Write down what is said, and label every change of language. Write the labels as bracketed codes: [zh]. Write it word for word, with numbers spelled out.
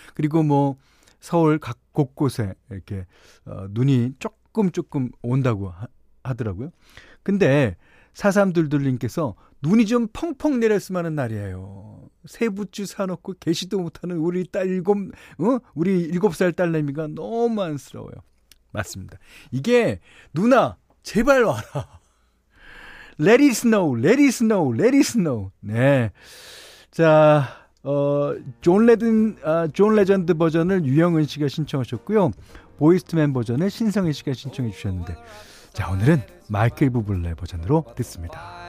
[ko] 그리고 뭐 서울 각 곳곳에 이렇게 어, 눈이 조금 조금 온다고 하, 하더라고요. 근데 사삼둘둘님께서 눈이 좀 펑펑 내렸으면 하는 날이에요. 세부추 사놓고 계시도 못하는 우리 딸 일곱, 어? 우리 일곱 살 딸내미가 너무 안쓰러워요. 맞습니다. 이게 누나 제발 와라. [en] Let it snow, let it snow, let it snow. [ko] 네, 자, 어, 존 레든, 아, 존 레전드 버전을 유영은 씨가 신청하셨고요. 보이스트맨 버전을 신성희 씨가 신청해 주셨는데, 자, 오늘은 마이클 부블레 버전으로 듣습니다.